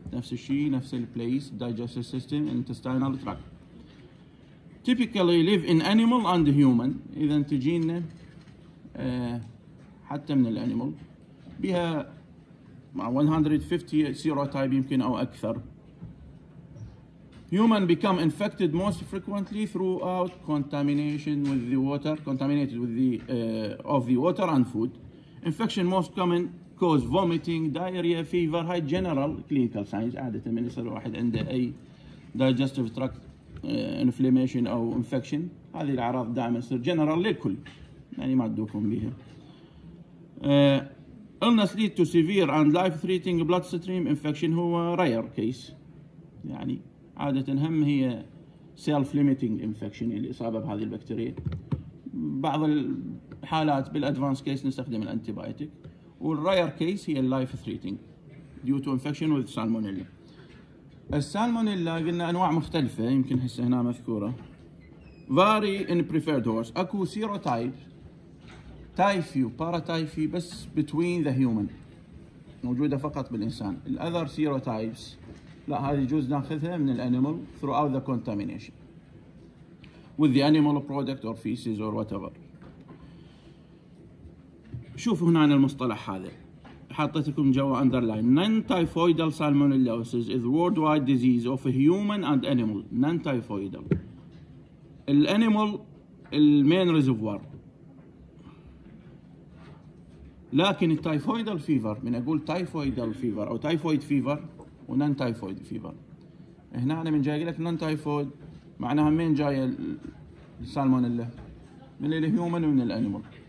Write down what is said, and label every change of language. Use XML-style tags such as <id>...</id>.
<en>نفس الشيء، نفس البليس، digestive system, intestinal tract. Typically live in animal and human.</en> <ar>إذا تجينا حتى من الانيمال بها 150 سيروتايب يمكن أو أكثر.</ar> <en>Human become infected most frequently throughout contamination with the water, contaminated with the of the water and food. Infection most common cause vomiting, diarrhea, fever. High general clinical signs.</en> <ar>عادة من يصير واحد عنده أي</ar> <en>digestive tract inflammation</en> <ar>أو infection، هذه الأعراض دائما تصير general للكل، يعني ما أدوكم بها.</ar> <en>Illness lead to severe and life-threatening bloodstream infection.</en> <ar>هو</ar> <en>rare case،</en> <ar>يعني عادة هم هي</ar> <en>self-limiting infection</en> <ar>الإصابة بهذه البكتيريا. بعض الحالات بال</ar> <en>advanced case</en> <ar>نستخدم الانتيبايتيك، والراير كيس هي</ar> <en>life-threatening due to infection with salmonella.</en> <ar>السالمونيلا قلنا انواع مختلفه، يمكن هسه هنا مذكوره.</ar> <en>Vary in preferred horse.</en> <ar>اكو سيروتايب تايفي وباراتايفي بس</ar> <en>between the human،</en> <ar>موجوده فقط بالانسان. الاذر سيروتايبس لا، هذه جوز ناخذها من الانيمال</ar> <en>throughout the contamination with the animal product or feces or whatever.</en> <ar>شوفوا هنا المصطلح هذا حطيت لكم جوا underline.</ar> <en>Non-typhoidal salmonellosis is worldwide disease of human and animal. Non-typhoidal. الانيمال المين reservoir. لكن التايفويدال فيفر، من اقول تايفويدال فيفر او تايفويد فيفر ونن تايفويد فيفر.</en> <ar>هنا انا من جاي لك نن تايفويد معناها مين جاي السالمونيلا؟ من الهيومن ومن الانيمال.</ar>